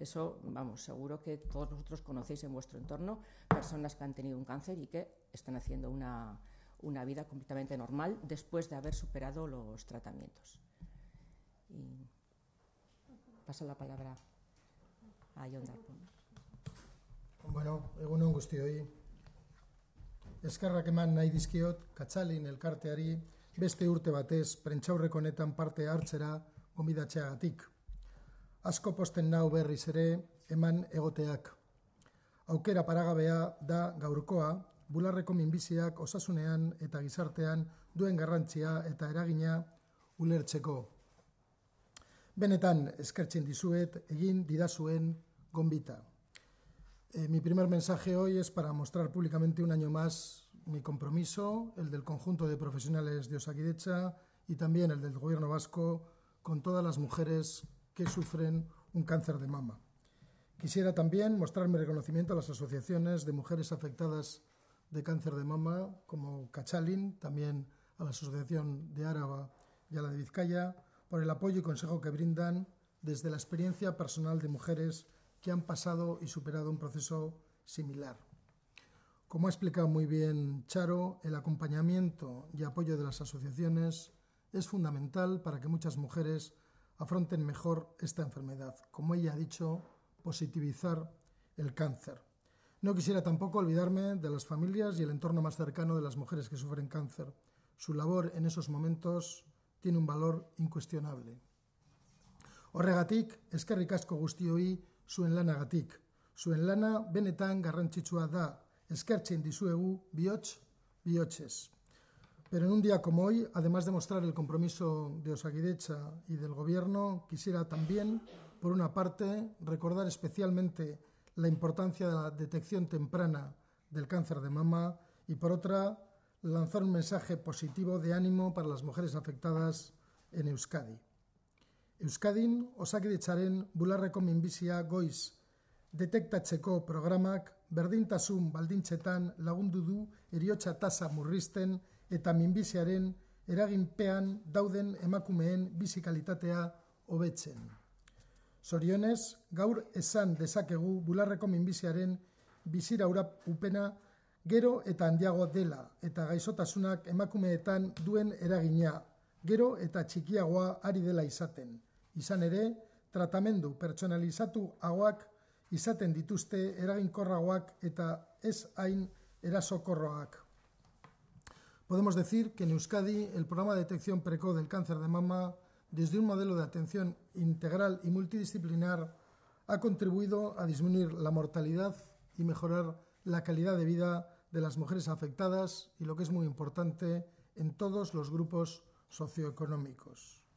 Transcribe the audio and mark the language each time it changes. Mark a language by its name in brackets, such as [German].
[Spanish] Eso, vamos, seguro que todos vosotros conocéis en vuestro entorno personas que han tenido un cáncer y que están haciendo una vida completamente normal después de haber superado los tratamientos. Y paso la palabra a Jon Darpón. [Basque] Bueno, egunon guztioi. Eskerrak eman nahi dizkiot Katxalin elkarteari beste urte batez prentxaurreko honetan parte hartzera gomidatzeagatik. Asko posten nau berriz ere eman egoteak. Aukera paragabea da gaurkoa, bularreko minbiziak osasunean eta gizartean duen garrantzia eta eragina ulertzeko. Benetan, eskertzen dizuet egin didazuen gonbita. [Spanish] Mi primer mensaje hoy es para mostrar públicamente un año más mi compromiso, el del conjunto de profesionales de Osakidetza y también el del Gobierno Vasco con todas las mujeres que sufren un cáncer de mama. Quisiera también mostrar mi reconocimiento a las asociaciones de mujeres afectadas de cáncer de mama, como Katxalin, también a la Asociación de Áraba y a la de Vizcaya, por el apoyo y consejo que brindan desde la experiencia personal de mujeres que han pasado y superado un proceso similar. Como ha explicado muy bien Charo, el acompañamiento y apoyo de las asociaciones es fundamental para que muchas mujeres afronten mejor esta enfermedad. Como ella ha dicho, positivizar el cáncer. No quisiera tampoco olvidarme de las familias y el entorno más cercano de las mujeres que sufren cáncer. Su labor en esos momentos tiene un valor incuestionable. [Basque] Horregatik, eskerrik asko guztioi zuen lanagatik. Zuen lana benetan garrantzitsua da. Eskertzen dizuegu bihotz bihotzez. [Spanish] Pero en un día como hoy, además de mostrar el compromiso de Osakidetza y del Gobierno, quisiera también, por una parte, recordar especialmente la importancia de la detección temprana del cáncer de mama y, por otra, lanzar un mensaje positivo de ánimo para las mujeres afectadas en Euskadi. [Basque] Euskadin, Osakidetzaren bularreko minbizia goiz detektatzeko programak berdintasun baldintzetan lagundu du heriotza tasa murrizten eta minbiziaren eraginpean dauden emakumeen bizikalitatea hobetzen. Sorionez, gaur esan dezakegu bularreko minbiziaren biziraupena gero eta handiagoa dela eta gaizotasunak emakumeetan duen eragina gero eta txikiagoa ari dela izaten. Izan ere, tratamendu pertsonalizatuagoak izaten dituzte eraginkorragoak eta ez hain erasokorroak. [Spanish] Podemos decir que en Euskadi el programa de detección precoz del cáncer de mama, desde un modelo de atención integral y multidisciplinar, ha contribuido a disminuir la mortalidad y mejorar la calidad de vida de las mujeres afectadas y, lo que es muy importante, en todos los grupos socioeconómicos.